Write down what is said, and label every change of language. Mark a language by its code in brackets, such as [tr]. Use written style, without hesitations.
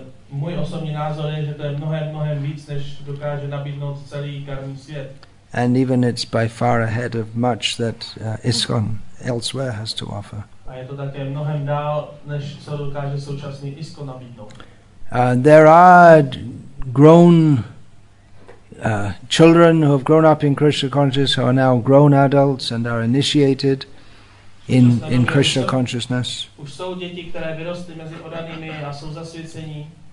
[cs] Můj osobní názor je, že to je mnohem víc, než dokáže nabídnout celý karmý svět. [en] And even it's by far ahead of much that ISKCON elsewhere has to offer. [cs] A je to také mnohem dál, než co dokáže současný ISKCON nabídnout. [en] There are grown children who have grown up in Krishna consciousness who are now grown adults and are initiated in Krishna consciousness. [cs] Už jsou děti, které vyrostly mezi odanými a jsou zasvěcení.